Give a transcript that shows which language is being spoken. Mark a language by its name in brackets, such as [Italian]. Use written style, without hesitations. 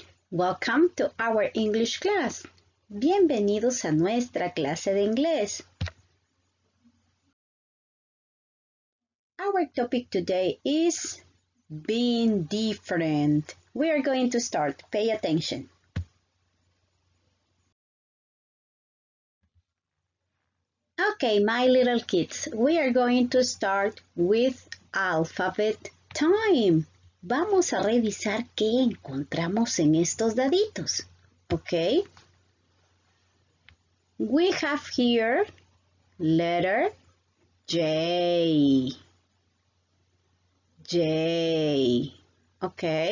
[English] Welcome to our English class. [Spanish] Bienvenidos a nuestra clase de inglés. [English] Our topic today is being different. We are going to start. Pay attention. Okay, my little kids. We are going to start with alphabet time. [Spanish] Vamos a revisar qué encontramos en estos daditos, ¿ok? [English] We have here letter J. J, ¿ok?